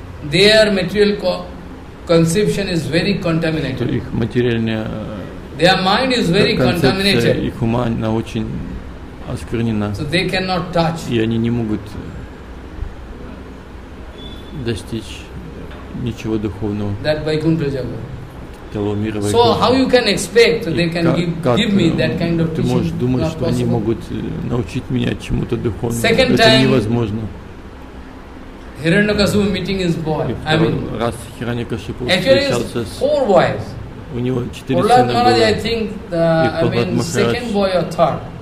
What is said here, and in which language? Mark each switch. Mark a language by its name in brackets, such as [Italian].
[English] Their material conception is very contaminated. [Russian] Их материальное. [English] Their mind is very contaminated. [Russian] Их ума она очень осквернена. [English] So they cannot touch. [Russian] И они не могут достичь ничего духовного. [English] That Vaikuntha jagat. [Russian] Того мира [English] Vaikuntha. So how you can expect they can give me that kind of teaching? [Russian] Ты можешь думать, что они могут научить меня чему-то духовному? [English] Second time. [Russian] Это невозможно. [English] Hiranya Kashipu meeting is boy. I mean. [Russian] Раз Hiranya Kashipu. [English] Actually, it's four boys. [Russian] У него четыре сына было. [English] Прахлад, I think, second boy or third.